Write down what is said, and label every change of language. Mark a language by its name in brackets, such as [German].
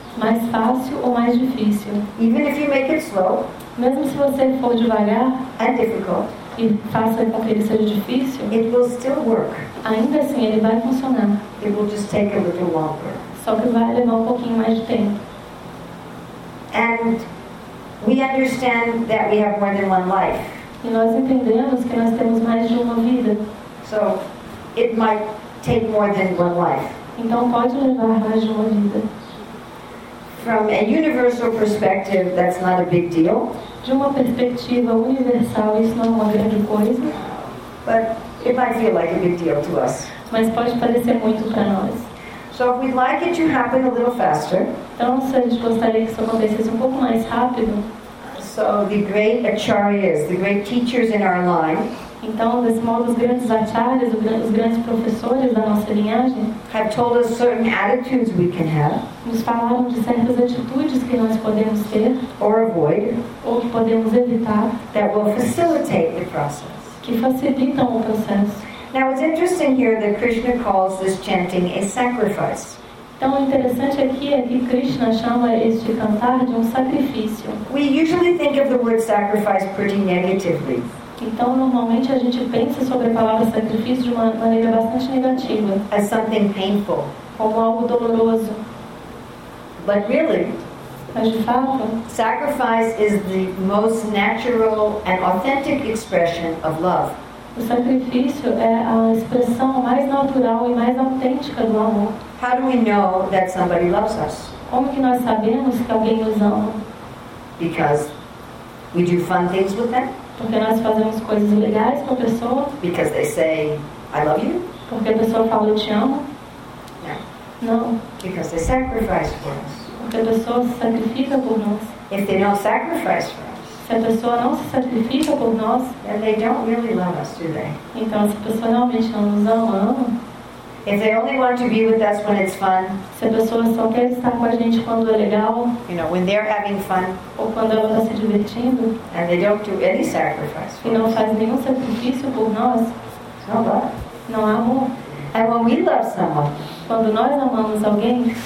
[Portuguese] Mais fácil ou mais difícil. [English] Even if you make it slow. [Portuguese] Mesmo se você for devagar. [English] And difficult. [Portuguese] E faça com que ele seja difícil. [English] It will still work. [Portuguese] Ainda assim, ele vai funcionar. [English] It will just take a little longer. [Portuguese] Só que vai levar um pouquinho mais de tempo. [English] And we understand that we have more than one life. [Portuguese] E nós entendemos que nós temos mais de uma vida. [English] So it might take more than one life. [Portuguese] Então pode levar mais de uma vida. [English] From a universal perspective, that's not a big deal. [Portuguese] De uma perspectiva universal, isso não é uma grande coisa. [English] But it might feel like a big deal to us. [Portuguese] Mas pode parecer muito para nós. [English] So if we'd like it to happen a little faster. [Portuguese] Então se a gente gostaria que isso acontecesse um pouco mais rápido. [English] So the great acharyas, the great teachers in our line. [Portuguese] Então, desse modo, os grandes acharyas, os grandes professores da nossa linhagem, [English] have told us certain attitudes we can have, [Portuguese] nos falaram de certas atitudes que nós podemos ter, [English] or avoid, [Portuguese] ou que podemos evitar, [English] that will facilitate the process. [Portuguese] Que facilitam o processo. [English] Now, it's interesting here that Krishna calls this chanting a sacrifice. [Portuguese] Então, o interessante aqui é que Krishna chama este cantar de sacrifício. [English] We usually think of the word sacrifice pretty negatively. [Portuguese] Então, normalmente a gente pensa sobre a palavra sacrifício de uma maneira bastante negativa. [English] As something painful. [Portuguese] Como algo doloroso. [English] But really, [Portuguese] mas de fato, [English] sacrifice is the most natural and authentic expression of love. [Portuguese] O sacrifício é a expressão mais natural e mais autêntica do amor. [English] How do we know that somebody loves us? [Portuguese] Como que nós sabemos que alguém nos ama? [English] Because we do fun things with them. [Portuguese] Porque nós fazemos coisas legais com a pessoa. [English] Because they say, I love you. [Portuguese] Porque a pessoa fala, eu te amo. Não. [English] Because they sacrifice for us. [Portuguese] Porque a pessoa se sacrifica por nós. [English] If they don't sacrifice for us. [Portuguese] Se a pessoa não se sacrifica por nós. [English] Then they don't really love us, do they? [Portuguese] Então, se a pessoa realmente não nos ama. [English] If they only want to be with us when it's fun. [Portuguese] Se a pessoa só quer estar com a gente quando é legal. [English] You know, when they're having fun. [Portuguese] Ou quando ela está se divertindo. [English] And they don't do any sacrifice. [Portuguese] E não faz nenhum sacrifício por nós. Não há amor. [English] And when we love someone. [Portuguese] Quando nós amamos alguém.